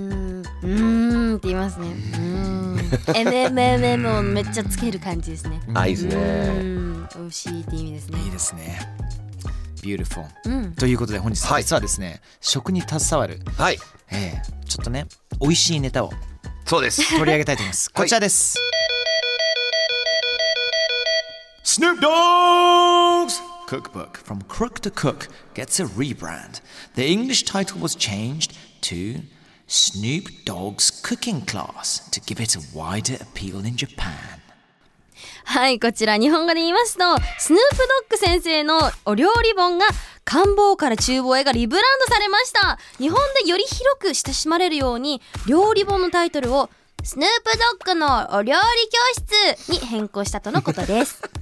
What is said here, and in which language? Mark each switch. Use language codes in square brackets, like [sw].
[ja] うーんって言いますね。うーん、MMM をめっちゃつける感じですね。あ、いいですね。美味しいって意味ですね。いいですね。 Beautiful、うん、ということで本日実はですね、食に携わる、はい、ちょっとね、美味しいネタを、そうです、取り上げたいと思います。こちらです。 [en] Snoop Dogg's cookbook from crook to cook gets a rebrand. The English title was changed to Snoop Dogg's cooking class to give it a wider appeal in Japan. [ja] はい、こちら日本語で言いますと、スヌープドッグ先生のお料理本が官房から厨房へがリブランドされました。日本でより広く親しまれるように料理本のタイトルをスヌープドッグのお料理教室に変更したとのことです。